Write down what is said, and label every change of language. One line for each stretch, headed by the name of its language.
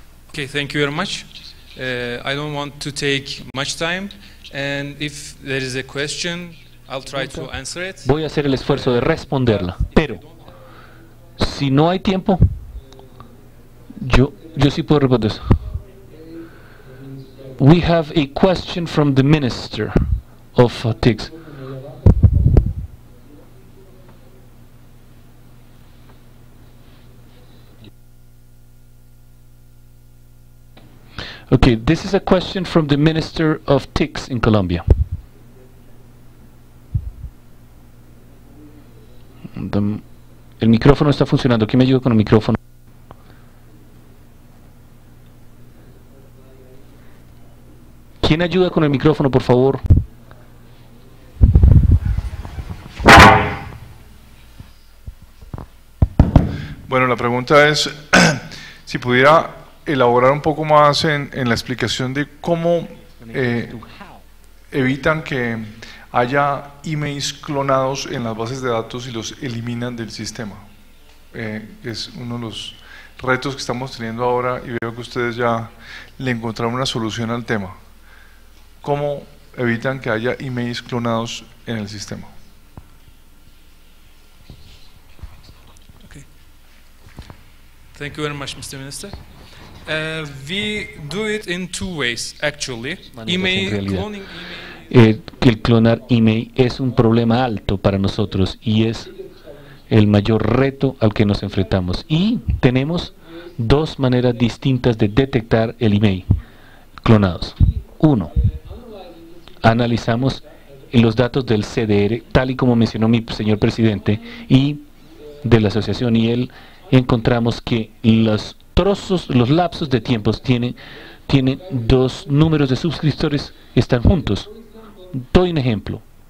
English: Okay, thank you very much. I don't want to take much time, and if there is a question, I'll try to answer it.
Spanish: Voy a hacer el esfuerzo de responderla, pero si no hay tiempo, yo sí puedo responder eso.
English: We have a question from the Minister of TICS. Okay, this is a question from the Minister of TICS in Colombia.
Spanish: El micrófono está funcionando. ¿Quién me ayuda con el micrófono? ¿Quién ayuda con el micrófono, por favor? Bueno, la pregunta es si pudiera elaborar un poco más en la explicación de cómo evitan que haya emails clonados en las bases de datos y los eliminan del sistema. Es uno de los retos que estamos teniendo ahora y veo que ustedes ya le encontraron una solución al tema. ¿Cómo evitan que haya emails clonados en el sistema?
English: Okay. Thank you very much, Mr. Minister. We do it in two ways, actually. Email cloning.
Spanish: El clonar email es un problema alto para nosotros y es el mayor reto al que nos enfrentamos. Y tenemos dos maneras distintas de detectar el email clonados. Uno, analizamos los datos del CDR, tal y como mencionó mi señor presidente, y de la asociación, y él encontramos que los trozos, los lapsos de tiempos tienen dos números de suscriptores, están juntos. Doy un ejemplo.